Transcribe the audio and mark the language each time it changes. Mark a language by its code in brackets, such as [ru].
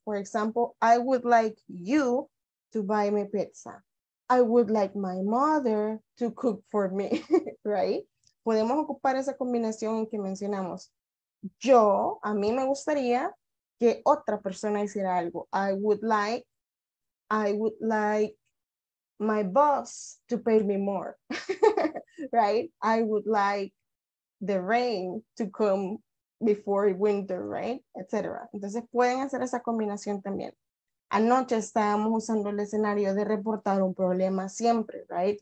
[en] For example, I would like you to buy me pizza. I would like my mother to cook for me, right? [es] Podemos ocupar esa combinación que mencionamos. Yo, a mí me gustaría que otra persona hiciera algo. [en] I would like my boss to pay me more, right? I would like the rain to come before winter, right? [es] Etc. Entonces pueden hacer esa combinación también. Anoche estábamos usando el escenario de reportar un problema siempre, right?